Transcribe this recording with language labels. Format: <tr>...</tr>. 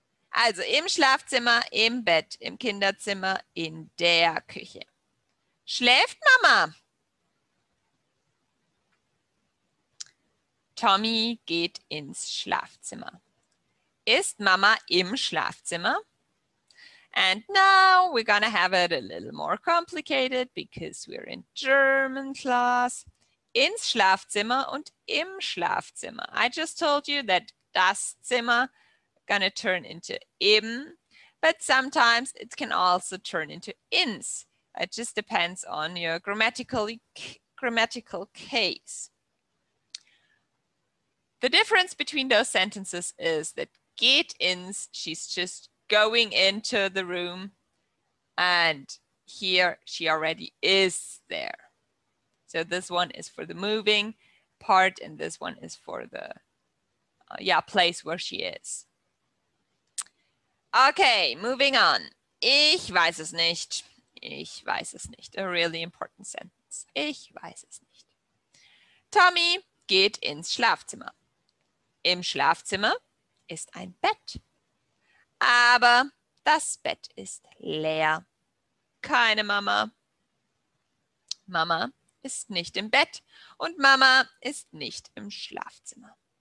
<de>Also im Schlafzimmer, im Bett, im Kinderzimmer, in der Küche. Schläft Mama? Tommy geht ins Schlafzimmer. Ist Mama im Schlafzimmer?</de> <en>And now we're gonna have it a little more complicated because we're in German class.</en> <de>Ins Schlafzimmer und im Schlafzimmer.</de> <en>I just told you that das Zimmer gonna turn into im, but sometimes it can also turn into ins. It just depends on your grammatical case. The difference between those sentences is that geht ins, she's just going into the room, and here she already is there. So this one is for the moving part, and this one is for the place where she is. Okay, moving on.</en> <de>Ich weiß es nicht. Ich weiß es nicht.</de> <en>A really important sentence.</en> <de>Ich weiß es nicht. Tommy geht ins Schlafzimmer. Im Schlafzimmer ist ein Bett. Aber das Bett ist leer. Keine Mama. Mama ist nicht im Bett und Mama ist nicht im Schlafzimmer.</de>